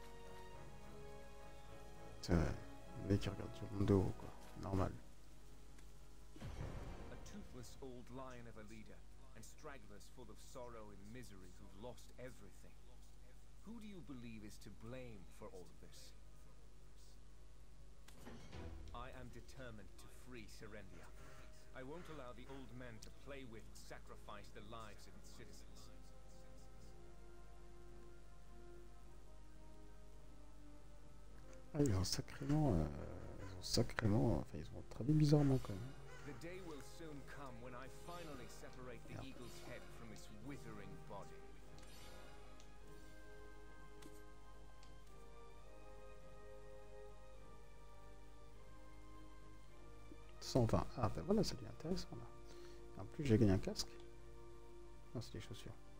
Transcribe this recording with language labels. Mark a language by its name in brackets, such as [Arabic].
[French] juste un mec qui regarde sur mon dos, quoi. Normal. [English] A toothless old lion of a leader, and stragglers full of sorrow and misery who've lost everything. Who do you believe is to blame for all of this? I am determined to free Serendia. I won't allow the old men to play with and sacrifice the lives of its citizens. [French] Ah, ils ont sacrément, enfin, ils ont travaillé bizarrement quand même. [English] The day will soon come when I finally separate the eagle's head from its withering body. [French] Ah ben voilà, ça devient intéressant là. En plus, j'ai gagné un casque. Non, c'est des chaussures.